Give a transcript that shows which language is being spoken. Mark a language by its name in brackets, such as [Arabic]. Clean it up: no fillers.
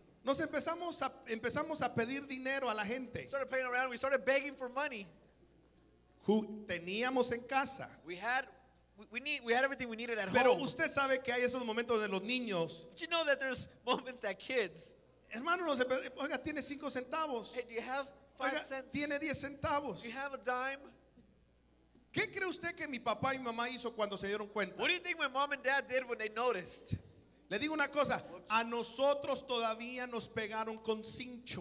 [Spanish] Nos empezamos a pedir dinero a la gente. [English] We started playing around. We started begging for money. [Spanish] Teníamos en casa. [English] We had everything we needed at [Spanish] pero [English] home. [Spanish] Pero usted sabe que hay esos momentos de los niños. [English] But you know that there's moments that kids. [Spanish] Hermano, oiga, tiene 5 centavos. [English] Hey, do you have 5 cents? [Spanish] Tiene 10 centavos. [English] Do you have a dime? [Spanish] ¿Qué cree usted que mi papá y mi mamá hizo cuando se dieron cuenta? [English] What do you think my mom and dad did when they noticed? [Spanish] Le digo una cosa, a nosotros todavía nos pegaron con cincho.